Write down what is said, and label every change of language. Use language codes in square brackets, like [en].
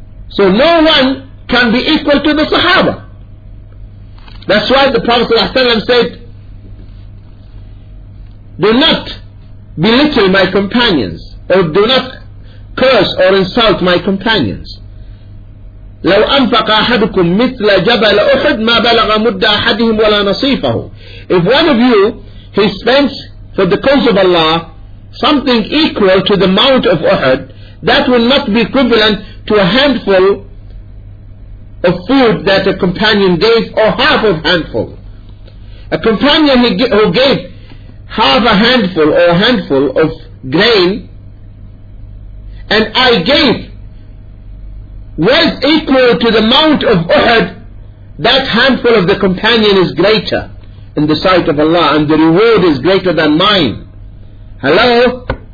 [en] So no one can be equal to the Sahaba. That's why the Prophet ﷺ said, do not belittle my companions, or do not curse or insult my companions. [ar] لو أنفق أحدكم مثل جبل أحد ما بلغ مد أحدهم ولا نصيفه. [en] If one of you, he spends for the cause of Allah something equal to the Mount of Uhud, that will not be equivalent to a handful of food that a companion gave, or half of handful. A companion who gave half a handful or a handful of grain, and I gave wealth equal to the Mount of Uhud, that handful of the companion is greater in the sight of Allah, and the reward is greater than mine. Hello?